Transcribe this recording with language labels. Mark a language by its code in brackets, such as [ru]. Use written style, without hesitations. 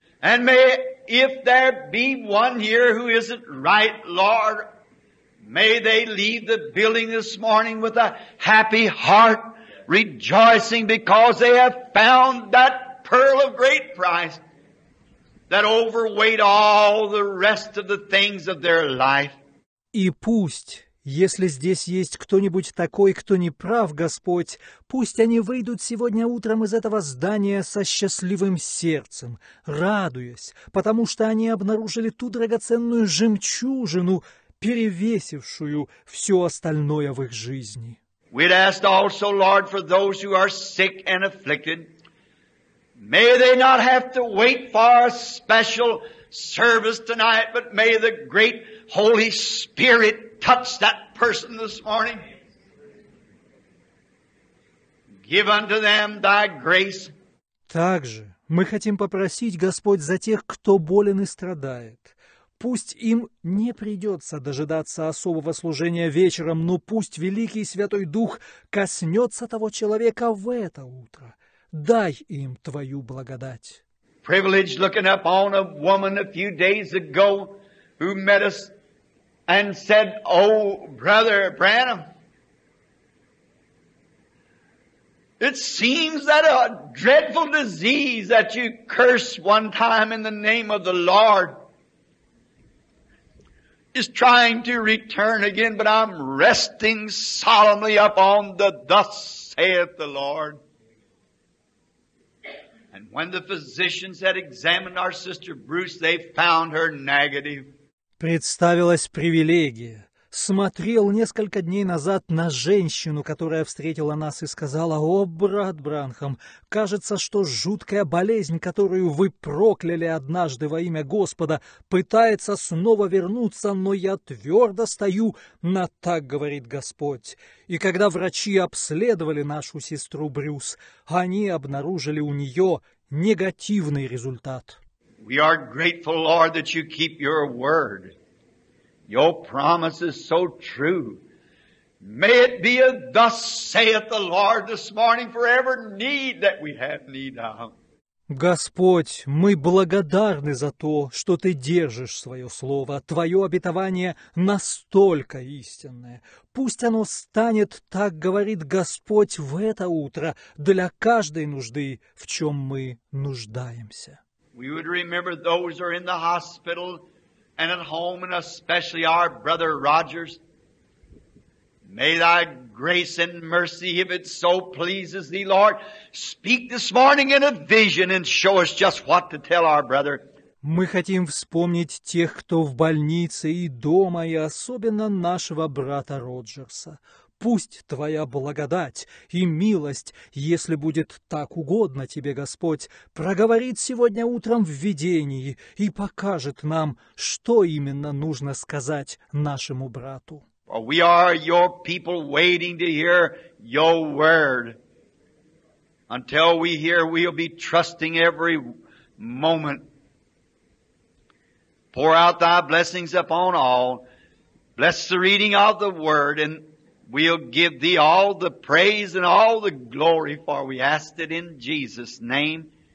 [en] And may, if there be one here who isn't right, Lord, may they leave the building this morning with a happy heart. Rejoicing because they have found that pearl of great price. that overweight all the rest of the things of their life. [ru] И пусть, если здесь есть кто-нибудь такой, кто не прав, Господь, пусть они выйдут сегодня утром из этого здания со счастливым сердцем, радуясь, потому что они обнаружили ту драгоценную жемчужину, перевесившую все остальное в их жизни. [en] We'd ask also, Lord, for those who are sick and afflicted, may they not have to wait for a special service tonight, but may the great Holy Spirit touch that person this morning. Give unto them thy grace. [ru] Также мы хотим попросить, Господь, за тех, кто болен и страдает. Пусть им не придется дожидаться особого служения вечером, но пусть Великий Святой Дух коснется того человека в это утро. Дай им Твою благодать. [en] Privilege looking up on a woman a few days ago who met us and said, "Oh, Brother Branham, it seems that a dreadful disease that you cursed one time in the name of the Lord is trying to return again, but I'm resting solemnly up on the thus saith the Lord." And when the physicians had examined our sister Bruce, they found her negative. [ru] Представилась привилегия. Смотрел несколько дней назад на женщину, которая встретила нас и сказала: «О, брат Бранхам, кажется, что жуткая болезнь, которую вы прокляли однажды во имя Господа, пытается снова вернуться, но я твердо стою на так, говорит Господь». И когда врачи обследовали нашу сестру Брюс, они обнаружили у нее негативный результат. [en] We are grateful, Lord, that you keep your word. Your promise is so true. May it be a thus saith the Lord this morning for every need that we have need of. [ru] Господь, мы благодарны за то, что Ты держишь Свое Слово. Твое обетование настолько истинное. Пусть оно станет, так говорит Господь, в это утро для каждой нужды, в чем мы нуждаемся. [en] We would remember those who are in the hospital and at home, and especially our brother Rogers. May thy grace and mercy, if it so pleases thee, Lord, speak this morning in a vision and show us just what to tell our brother. [ru] Мы хотим вспомнить тех, кто в больнице и дома, и особенно нашего брата Роджерса. Пусть Твоя благодать и милость, если будет так угодно Тебе, Господь, проговорит сегодня утром в видении и покажет нам, что именно нужно сказать нашему брату. [en] For we are your people waiting to hear your word. Until we hear, we'll be trusting every moment. Pour out thy blessings upon all. Bless the reading of the word and we'll give thee all the praise and all the glory, for we ask it in Jesus' name.